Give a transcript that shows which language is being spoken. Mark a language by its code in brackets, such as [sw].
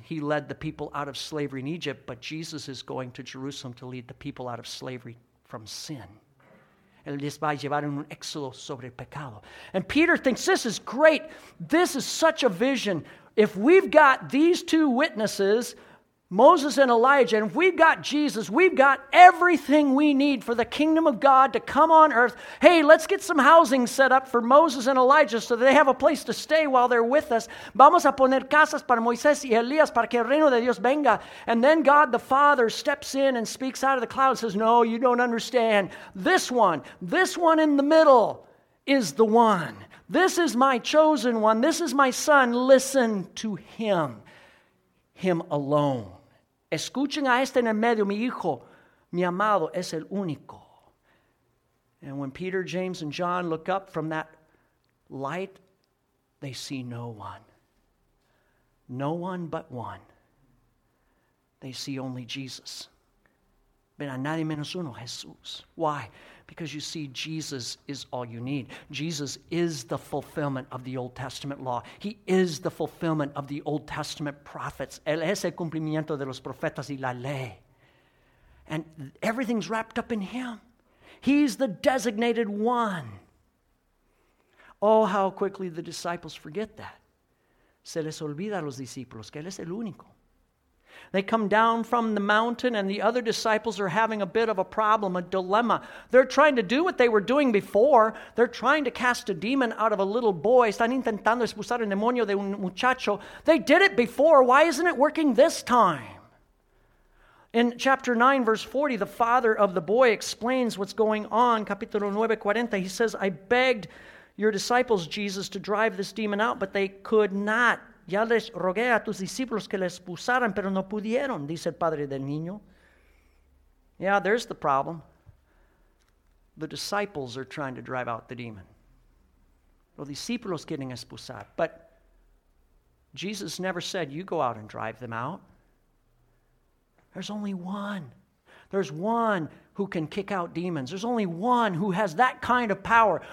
[en] He led the people out of slavery in Egypt, but Jesus is going to Jerusalem to lead the people out of slavery from sin. [es] Él les va a llevar un éxodo sobre el pecado. [en] And Peter thinks, this is great. This is such a vision. If we've got these two witnesses, Moses and Elijah, and if we've got Jesus, we've got everything we need for the kingdom of God to come on earth. Hey, let's get some housing set up for Moses and Elijah so they have a place to stay while they're with us. [es] Vamos a poner casas para Moisés y Elías para que el reino de Dios venga. [en] And then God the Father steps in and speaks out of the cloud and says, no, you don't understand. This one in the middle is the one. This is my chosen one. This is my son. Listen to him. Him alone. [es] Escuchen a este en el medio, mi hijo, mi amado, es el único. [en] And when Peter, James, and John look up from that light, they see no one. No one but one. They see only Jesus. [es] Ven a nadie menos uno, Jesús. [en] Why? Because you see, Jesus is all you need. Jesus is the fulfillment of the Old Testament law. He is the fulfillment of the Old Testament prophets. [es] Él es el cumplimiento de los profetas y la ley. [en] And everything's wrapped up in him. He's the designated one. Oh, how quickly the disciples forget that. [es] Se les olvida a los discípulos que él es el único. [en] They come down from the mountain and the other disciples are having a bit of a problem, a dilemma. They're trying to do what they were doing before. They're trying to cast a demon out of a little boy. [es] Están intentando expulsar el demonio de un muchacho. [en] They did it before. Why isn't it working this time? In chapter 9, verse 40, the father of the boy explains what's going on. [es] Capítulo 9, 40, [en] he says, I begged your disciples, Jesus, to drive this demon out, but they could not. [es] Ya les rogué a tus discípulos que les expulsaran, pero no pudieron, dice el padre del niño. [en] Yeah, there's the problem. The disciples are trying to drive out the demon. [es] Los discípulos quieren expulsar. [en] But Jesus never said, you go out and drive them out. There's only one. There's one who can kick out demons. There's only one who has that kind of power.